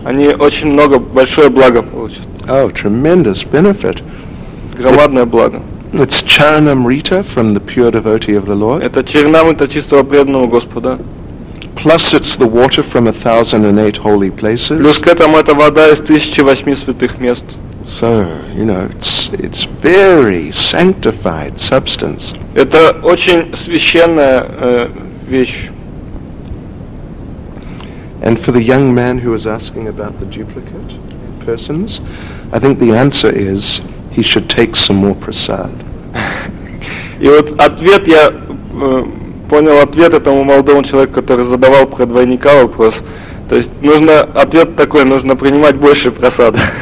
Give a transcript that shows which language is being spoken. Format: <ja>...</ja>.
<ru>Они очень много, большое благо получат.</ru> <en>Oh, tremendous benefit.</en> <ru>Громадное благо.</ru> <en>It's Charanamrita from the pure devotee of the Lord.</en> <ru>Это Чаранамрита чистого преданного Господа.</ru> <en>Plus it's the water from 1008 holy places.</en> <ru>Плюс к этому это вода из 1008 святых мест.</ru> <en>So, you know, it's very sanctified substance.</en> <ru>Это очень священная вещь.</ru> <en>And for the young man who was asking about the duplicate persons, I think the answer is he should take some more prasad.</en> <ru>И вот ответ, я понял ответ этому молодому человеку, который задавал про двойника вопрос. То есть нужно ответ такой, нужно принимать больше прасада.</ru>